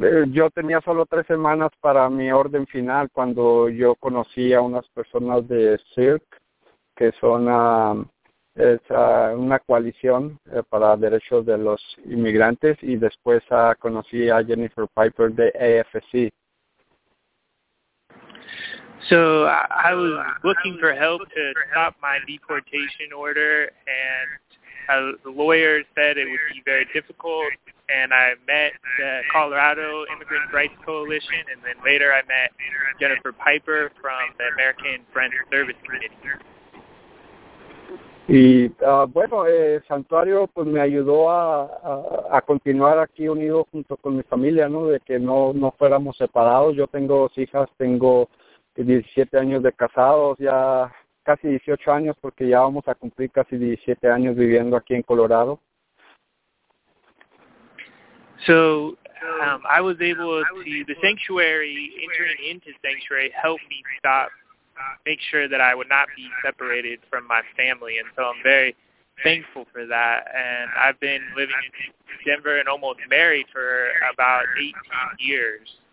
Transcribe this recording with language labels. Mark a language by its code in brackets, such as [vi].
[es] Yo tenía solo 3 semanas para mi orden final cuando yo conocí a unas personas de CIRC, que son una coalición para derechos de los inmigrantes, y después conocí a Jennifer Piper de AFC. [en] So I was looking for help to stop my deportation order, and the lawyer said it would be very difficult. And I met the Colorado Immigrant Rights Coalition, and then later I met Jennifer Piper from the American Friends Service Committee. [es] Y bueno, Santuario pues me ayudó a continuar aquí unido junto con mi familia, ¿no? De que no fuéramos separados. Yo tengo 2 hijas, tengo 17 años de casados, ya casi 18 años, porque ya vamos a cumplir casi 17 años viviendo aquí en Colorado. [en] So I was able to, the sanctuary, entering into sanctuary helped me stop, make sure that I would not be separated from my family. And so I'm very thankful for that. And I've been living in Denver and almost married for about 18 years.